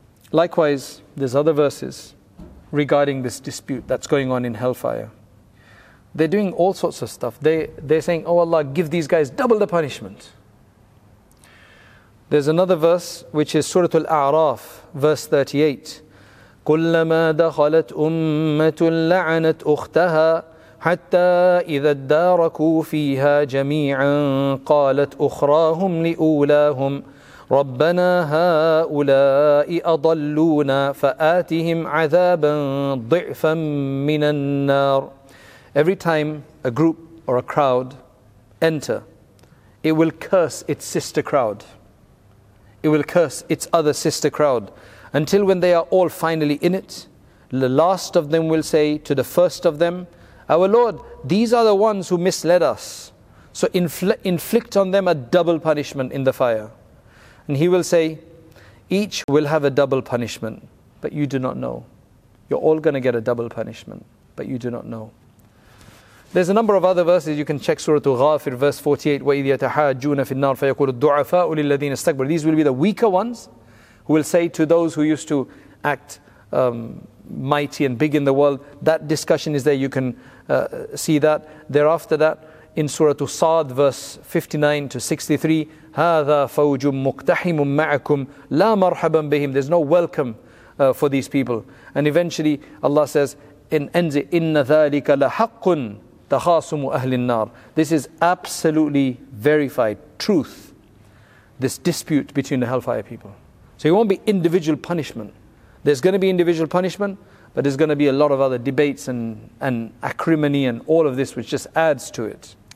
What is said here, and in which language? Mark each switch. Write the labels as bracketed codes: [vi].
[en] Likewise, there's other verses regarding this dispute that's going on in hellfire. They're doing all sorts of stuff. They're saying, oh Allah, give these guys double the punishment. There's another verse, which is Surah Al-A'raf, verse 38. [ar] كُلَّمَا دَخَلَتْ أُمَّةٌ لَعَنَتْ أُخْتَهَا حتى إذا اداركوا فيها جميعا قالت أخراهم لأولاهم ربنا هؤلاء أضلونا فآتهم عذابا ضعفا من النار. [en] Every time a group or a crowd enter, it will curse its sister crowd. It will curse its other sister crowd until when they are all finally in it, the last of them will say to the first of them, our Lord, these are the ones who misled us. So inflict on them a double punishment in the fire. And He will say, each will have a double punishment, but you do not know. You're all going to get a double punishment, but you do not know. There's a number of other verses. You can check Surah Al-Ghafir, verse 48. [ar] وَإِذْ يَتَحَاجُّونَ فِي النَّارِ فَيَقُولُ الدُّعَفَاءُ لِلَّذِينَ اسْتَكْبَرُوا. [en] These will be the weaker ones who will say to those who used to act mighty and big in the world, that discussion is there. You can see that. Thereafter that, in Surah Sad, verse 59 to 63, [ar] هذا فوج مقتحم معكم لا مرحبا بهم. [en] There's no welcome for these people. And eventually Allah says, and ends it, [ar] إن ذلك لحق تخاصم أهل النار. [en] This is absolutely verified truth, this dispute between the hellfire people. So it won't be individual punishment. There's going to be individual punishment, but there's going to be a lot of other debates and acrimony and all of this, which just adds to it.